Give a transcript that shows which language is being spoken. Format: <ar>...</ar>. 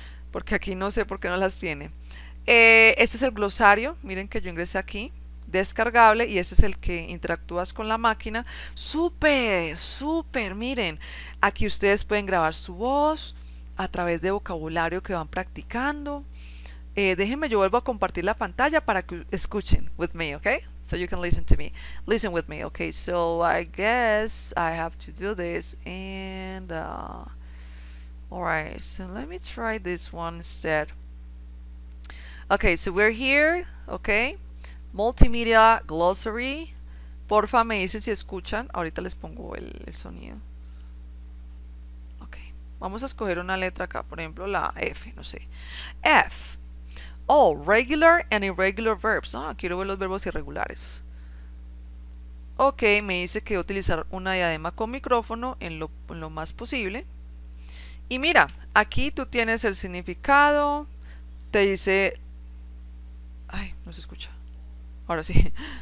<es>Porque aquí no sé por qué no las tiene. Este es el glosario, miren que yo ingresé aquí, descargable, y este es el que interactúas con la máquina. Súper, súper, miren, aquí ustedes pueden grabar su voz a través de vocabulario que van practicando. Déjenme, yo vuelvo a compartir la pantalla para que escuchen</es> <en>with me,</en> <es>¿ok?</es> <en>So you can listen to me. Listen with me. Okay, so I guess I have to do this. And all right, so let me try this one instead. Okay, so we're here. Okay, Multimedia Glossary.</en> <es>Porfa, me dicen si escuchan. Ahorita les pongo el sonido. Okay, vamos a escoger una letra acá, por ejemplo, la F, no sé. F.</es> <en>Oh, regular and irregular verbs.</en> <es>Ah, quiero ver los verbos irregulares. Ok, me dice que utilizar una diadema con micrófono en lo más posible. Y mira, aquí tú tienes el significado. Te dice. Ay, no se escucha. Ahora sí.</es>